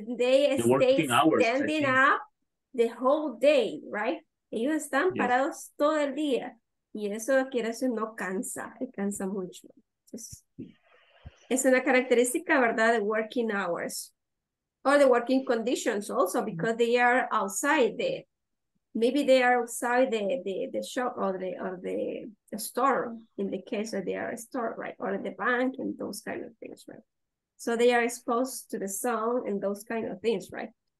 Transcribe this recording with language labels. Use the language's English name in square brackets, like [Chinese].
[English] And they stay standing up the whole day, right? [Spanish] Ellos están parados todo el día. Y eso quiere decir no cansa, cansa mucho. Entonces, es una característica, ¿verdad? [English] The working hours. Or the working conditions also, because they are outside the, maybe they are outside the shop or the store, in the case that they are a store, right? Or the bank and those kind of things, right? So they are exposed to the sun and those kind of things, right?